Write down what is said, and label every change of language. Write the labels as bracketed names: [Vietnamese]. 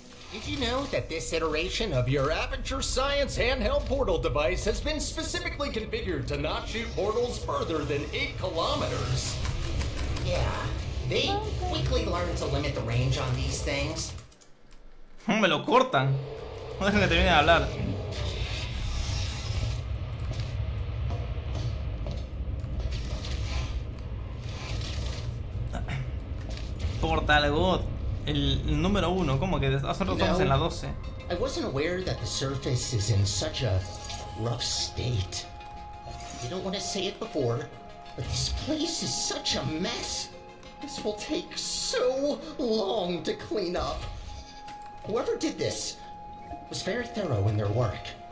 [English] Did you know that this iteration of your Aperture Science handheld portal device has been specifically configured to not shoot portals further than 8 kilometers? Yeah, they quickly learn to limit the range on these things. [Spanish] Me lo cortan. No dejan que termine de hablar. Portal God, el número uno, como que hace rato estamos en la 12. [English] I wasn't aware that the surface is in such a rough state. I didn't want to say it before, but this place is such a mess. This will take so long to clean up. Whoever did this was very thorough in their work.